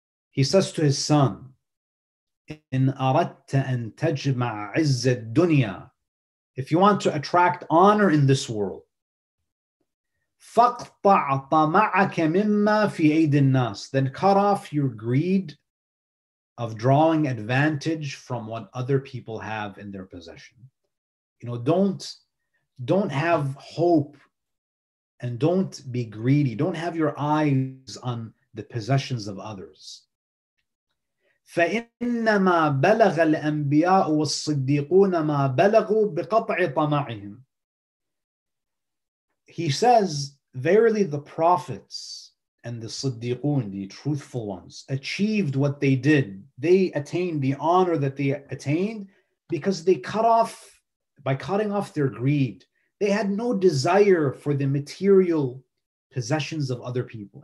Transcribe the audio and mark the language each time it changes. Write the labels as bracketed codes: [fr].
[en] He says to his son, [ar] إن أردت أن تجمع عز الدنيا, [en] if you want to attract honor in this world, [ar] فقطع طمعك مما في أيدي الناس, [en] then cut off your greed of drawing advantage from what other people have in their possession. You know, don't have hope and don't be greedy. Don't have your eyes on the possessions of others. [ar] فإنما بلغ الأنبياء والصديقون ما بلغوا بقطع طمعهم. [en] He says, verily the prophets and the Siddiqun, the truthful ones, achieved what they did. They attained the honor that they attained because they cutting off their greed. They had no desire for the material possessions of other people.